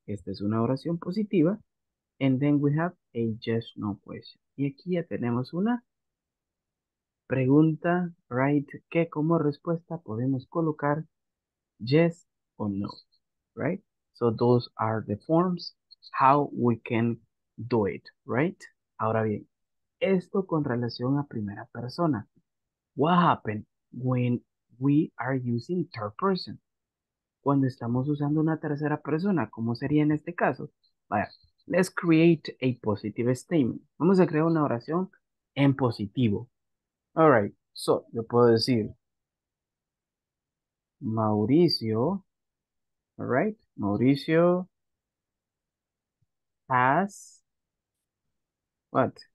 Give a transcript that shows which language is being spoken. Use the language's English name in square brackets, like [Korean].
[Spanish] Esta es una oración positiva. [English] And then we have a yes, no question. [Spanish] Y aquí ya tenemos una pregunta, right? Que como respuesta podemos colocar [English] yes or no, [Spanish] right? [English] So those are the forms how we can do it, right? [Spanish] Ahora bien, esto con relación a primera persona. [English] What happened when we are using third person? [Spanish] Cuando estamos usando una tercera persona, ¿cómo sería en este caso? Vaya, [English] let's create a positive statement. [Spanish] Vamos a crear una oración en positivo. [English] All right, so [Spanish] yo puedo decir, [English] Mauricio, all right, Mauricio has what?